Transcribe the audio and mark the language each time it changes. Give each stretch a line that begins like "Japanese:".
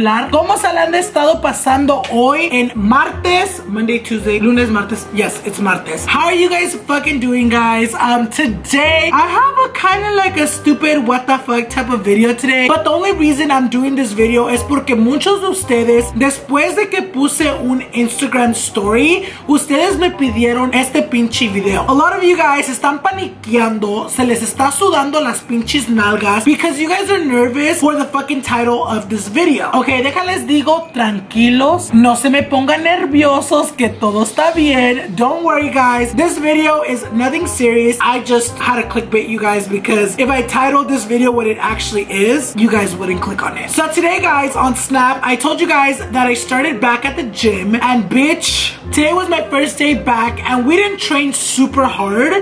Spanish: ¿Cómo se la han estado pasando hoy en martes?
English: Monday, Tuesday,
Spanish: lunes, martes.
English: Yes, it's martes. How are you guys fucking doing, guys? Today, I have a kind of like a stupid what the fuck type of video today. But the only reason I'm doing this video
Spanish: es porque muchos de ustedes, después de que puse un Instagram story, ustedes me pidieron este pinche video.
English: A lot of you guys
Spanish: están paniqueando, se les está sudando las pinches nalgas
English: because you guys are nervous for the fucking title of this video.
Spanish: Ok, déjales digo, tranquilos, no se me pongan nerviosos, que todo está bien.
English: Don't worry, guys. This video is nothing serious. I just had to clickbait you guys because if I titled this video what it actually is, you guys wouldn't click on it. So today, guys, on Snap, I told you guys that I started back at the gym, and bitch, today was my first day back, and we didn't train super hard.